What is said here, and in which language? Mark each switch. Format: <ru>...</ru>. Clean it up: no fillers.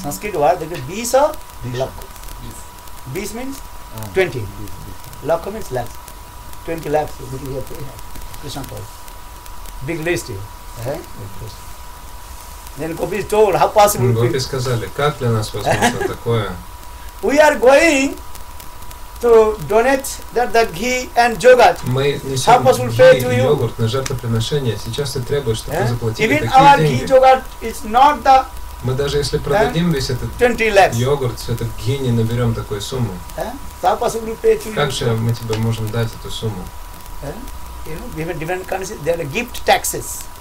<en>Sanskrit word degree. 20 lakh. 20 means 20. Lakh means lakhs. 20 lakhs rupees here pay here. Krishna told. Big list here. Then gopis told, how possible?</en> <ru>Гопи сказали, как для нас возможно такое?</ru> <en>We are going to donate the ghee and yogurt.</en> <ru>Мы несем ghee и йогурт на жертвоприношение. Сейчас ты требуешь, чтобы заплатили</ru> <en>even</en> <ru>такие деньги.</ru> <en>Even our ghee yogurt is not the.</en> <ru>Мы даже если продадим весь этот</ru> <en>20 lakhs.</en> <ru>Йогурт, все это ghee, не наберем такую сумму.</ru> <en>How possible pay to you?</en> <ru>Как же мы тебе можем дать эту сумму?</ru> <en>You know, even different countries, there are gift taxes.</en>